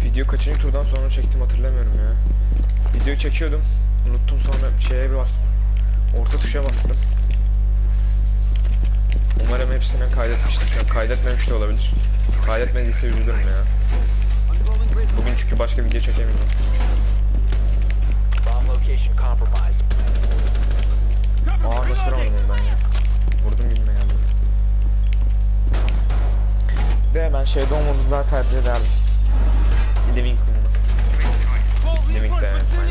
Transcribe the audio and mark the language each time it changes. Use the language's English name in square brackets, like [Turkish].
[Turkish] Kaçıncı turdan sonra çektim hatırlamıyorum ya. Videoyu çekiyordum. Unuttum, sonra şeye bir bastım. Orta tuşa bastım. Umarım hepsinden kaydetmiştir. Şu an kaydetmemiş de olabilir. Kaydetmediyse üzülürüm ya. Bugün çünkü başka video çekemiyorum. [English] Bomb location compromised. [Turkish] Aa, nasıl vuramadım ondan ya. Vurdum gibi geldi. De ben şeyde olmamızı daha tercih ederdim. Living room. Living de yani.